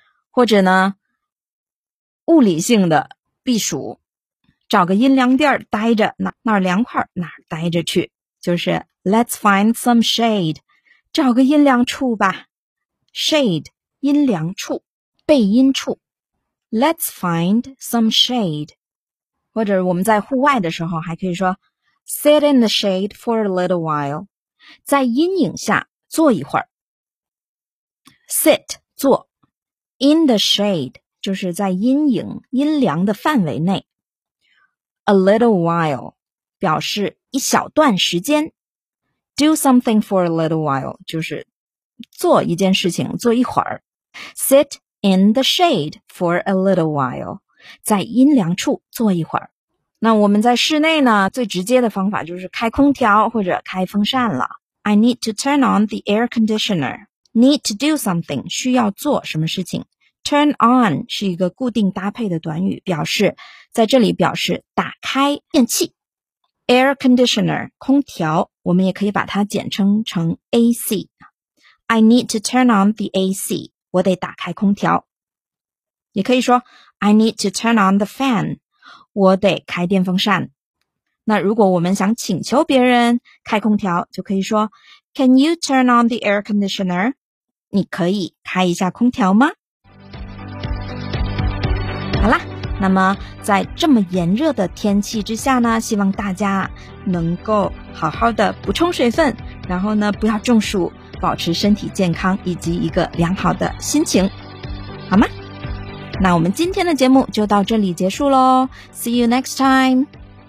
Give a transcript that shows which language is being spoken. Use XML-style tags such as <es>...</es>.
<zh>或者呢，物理性的避暑，找个阴凉地儿待着，那儿凉快哪儿待着去，就是</zh> <en>Let's find some shade,</en> <zh>找个阴凉处吧。 Shade, 阴凉处，背阴处。</zh> <en>Let's find some shade,</en> <zh>或者我们在户外的时候还可以说</zh> <en>Sit in the shade for a little while,</en> <zh>在阴影下坐一会儿。 Sit, 坐。</zh> <en>In the shade,</en> <zh>就是在阴影阴凉的范围内。</zh> <en>A little while</en> <zh>表示一小段时间。</zh> <en>Do something for a little while</en> <zh>就是做一件事情做一会儿。</zh> <en>Sit in the shade for a little while</en> <zh>在阴凉处坐一会儿。那我们在室内呢，最直接的方法就是开空调或者开风扇了。</zh> <en>I need to turn on the air conditioner. Need to do something</en> <zh>需要做什么事情。 Turn on 是一个固定搭配的短语，表示在这里表示打开电器。 Air conditioner 空调，我们也可以把它简称成 AC。</zh> <en>I need to turn on the AC,</en> <zh>我得打开空调。也可以说</zh> <en>I need to turn on the fan,</en> <zh>我得开电风扇。那如果我们想请求别人开空调，就可以说</zh> <en>Can you turn on the air conditioner?</en> <zh>你可以开一下空调吗？好啦，那么在这么炎热的天气之下呢，希望大家能够好好的补充水分，然后呢不要中暑，保持身体健康以及一个良好的心情，好吗？那我们今天的节目就到这里结束咯。</zh> <en>See you next time!</en>